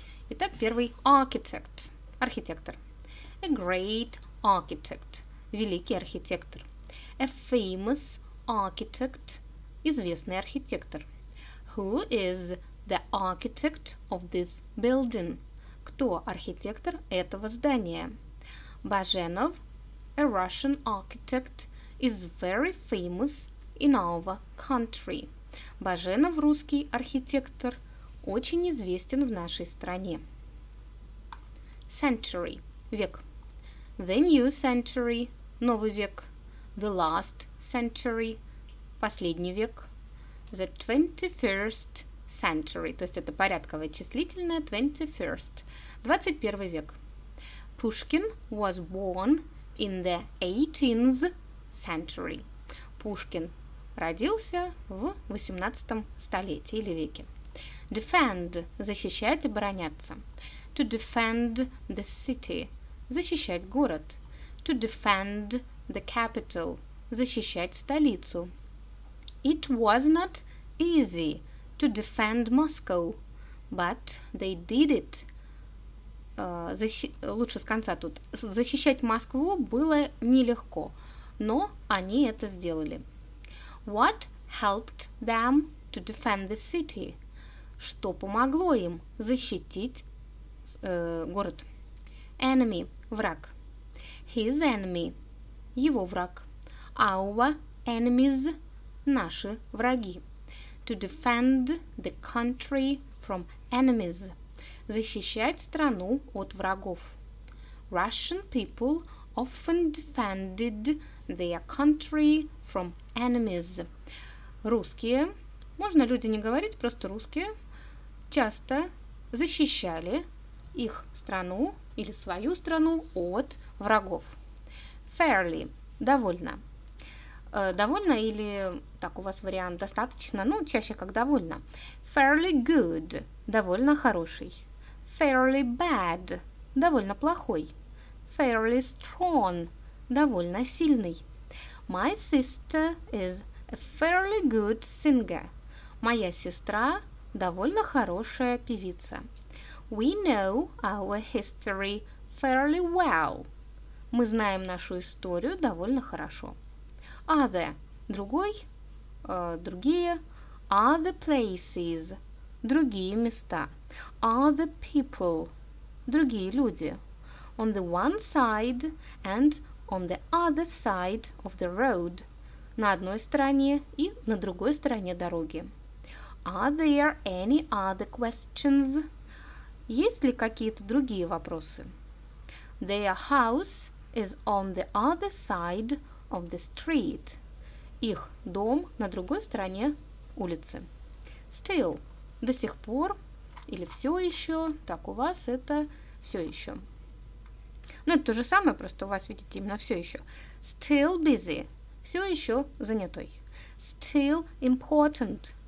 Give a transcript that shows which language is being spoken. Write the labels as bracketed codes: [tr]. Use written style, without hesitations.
[ru] Итак, первый. [en] Architect. Архитектор. A great architect. [ru] Великий архитектор. [en] A famous architect. [ru] Известный архитектор. [en] Who is the architect of this building? [ru] Кто архитектор этого здания? [en] Баженов, a Russian architect, is very famous in our country. [ru] Баженов, русский архитектор, очень известен в нашей стране. [en] Century, век. The new century, [ru] новый век. [en] The last century, [ru] последний век. [en] The 21st century, [ru] то есть это порядковое числительное, 21st, 21 век. [en] Пушкин was born in the 18th century. [ru] Пушкин родился в 18 столетии или веке. [en] Defend, [ru] защищать, обороняться. [en] To defend the city, [ru] защищать город. [en] To defend the capital, [ru] защищать столицу. [en] It was not easy to defend Moscow, but they did it. [ru] Лучше с конца тут. Защищать Москву было нелегко, но они это сделали. [en] What helped them to defend the city? [ru] Что помогло им защитить город? [en] Enemy – враг. His enemy – [ru] его враг. [en] Our enemies – [ru] наши враги. [en] To defend the country from enemies. [ru] Защищать страну от врагов. [en] Russian people often defended their country from enemies. [ru] Русские, можно люди не говорить, просто русские, часто защищали их страну или свою страну от врагов. Fairly, довольно. Довольно или, так у вас вариант, достаточно, ну, чаще как довольно. [en] Fairly good, [ru] довольно хороший. [en] Fairly bad, [ru] довольно плохой. [en] Fairly strong, [ru] довольно сильный. [en] My sister is a fairly good singer. [ru] Моя сестра довольно хорошая певица. [en] We know our history fairly well. [ru] Мы знаем нашу историю довольно хорошо. Other – другой, другие. [en] Other places [ru] – другие места. [en] Other people – [ru] другие люди. [en] On the one side and on the other side of the road. [ru] На одной стороне и на другой стороне дороги. [en] Are there any other questions? [ru] Есть ли какие-то другие вопросы? [en] Their house is on the other side of the street. [ru] Их дом на другой стороне улицы. Still. До сих пор. Или все еще. Так, у вас это все еще. Ну, это то же самое, просто у вас, видите, именно все еще. [en] Still busy. [ru] Все еще занятой. [en] Still important.